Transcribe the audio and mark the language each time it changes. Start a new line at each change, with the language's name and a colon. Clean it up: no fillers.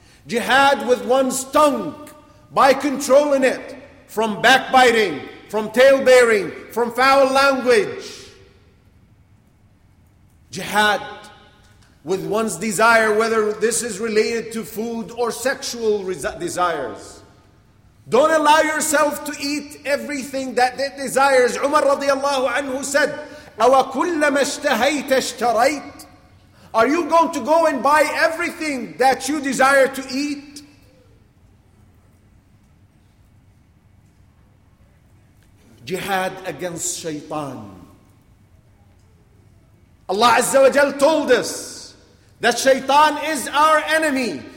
English: Jihad with one's tongue by controlling it from backbiting, from talebearing, from foul language. Jihad with one's desire, whether this is related to food or sexual desires. Don't allow yourself to eat everything that it desires. Umar radiallahu anhu said,
Arabic: أَوَ كُلَّ مَا اشْتَهَيْتَ اشْتَرَيْتَ.
English: Are you going to go and buy everything that you desire to eat? Jihad against shaitan. Allah Azza wa Jal told us that shaitan is our enemy.